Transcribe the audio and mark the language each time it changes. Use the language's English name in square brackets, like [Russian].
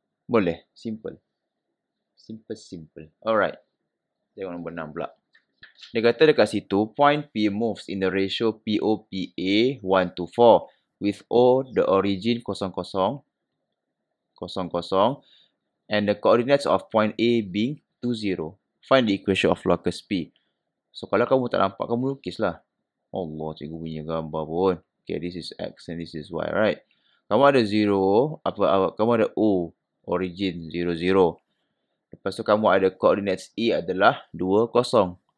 [Malay] Boleh. [English] Simple. Simple. Alright. [Malay] Tengok nombor 6 pula. Dia kata dekat situ, [English] point P moves in the ratio POPA 1 to 4 with O the origin 0, 0, 0, 0 and the coordinates of point A being 2, 0. Find the equation of locus P. [Malay] So kalau kamu tak nampak, kamu lukislah. Allah, cikgu punya gambar pun. [English] Okay, this is X and this is Y, right? [Malay] Kamu ada 0, kamu ada O, origin 0, 0. Lepas tu kamu ada coordinates A adalah 2, 0.